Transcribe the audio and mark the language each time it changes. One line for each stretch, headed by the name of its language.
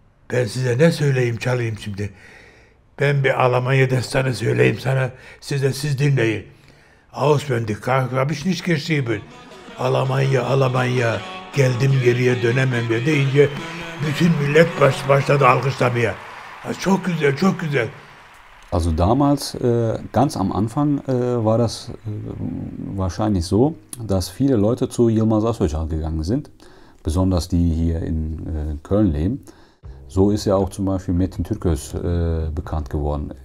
Turkish: Ben size ne söyleyeyim, çalayım şimdi. Ben bir Almanya destanı söyleyeyim sana. Siz dinleyin.
German: Auswendig, hab ich nicht geschrieben.
Turkish: Almanya, Almanya. Geldim geriye dönemem diye deyince bütün millet başladı alkışlamaya. Çok güzel, çok güzel.
German: Also damals, ganz am Anfang, war das wahrscheinlich so, dass viele Leute zu Yılmaz Özdemir gegangen sind, besonders die hier in Köln leben. So ist er auch zum Beispiel Metin Türköz bekannt geworden.